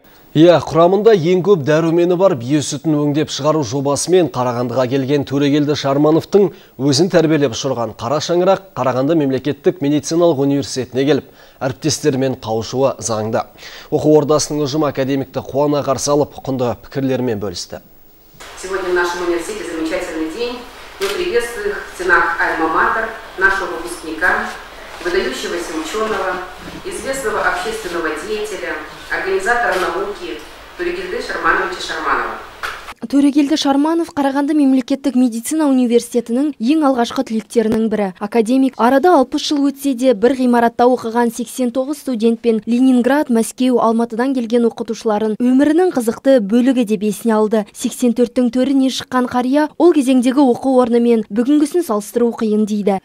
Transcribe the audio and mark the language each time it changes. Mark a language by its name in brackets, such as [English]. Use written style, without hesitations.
[Kazakh] Иә, құрамында ең көп дәрумені бар бие сүтін өңдеп шығару жобасымен Қарағандыға келген Төрегелді Шармановтың өзін тәрбиелеп ұшырған қара шаңырақ Қарағанды мемлекеттік медициналық университетіне келіп, әріптестерімен қауышуы заңды. Оқу ордасының ұжымы академикті қуана қарсы алып, құнды пікірлерімен бөлісті. [Russian] Сегодня в нашем университете замечательный день. Мы приветствуем их в стенах Альма-Матер нашего выпускника, выдающегося ученого, известного общественного деятеля, организатора науки Төрегелді Шармановича Шарманова. [Kazakh] Төрегелді Шарманов Қарағанды мемлекеттік медицина университетінің ең алғашқы түлектерінің бірі. Академик арада 60 жыл өтсе де бір ғимаратта оқыған 89 студент пен Ленинград, Мәскеу, Алматыдан келген оқытушыларын өмірінің қызықты бөлігі деп есіне алды. 84-тің төріне шыққан қария ол кезеңдегі оқу орнымен бүгінгісін салыстыру қиын дейді.